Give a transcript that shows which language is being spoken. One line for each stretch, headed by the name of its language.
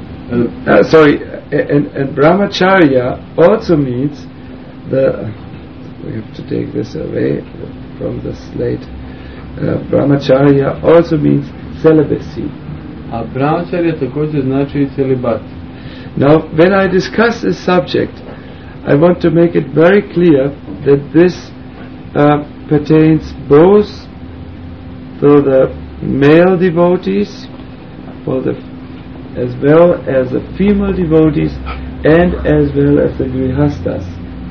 English: And brahmacharya also means brahmacharya also means celibacy.
Croatian: A brahmacharya također znači celibat.
English: Now, when I discuss this subject, I want to make it very clear that this pertains both to the male devotees, as well as the female devotees, and as well as the grihastas.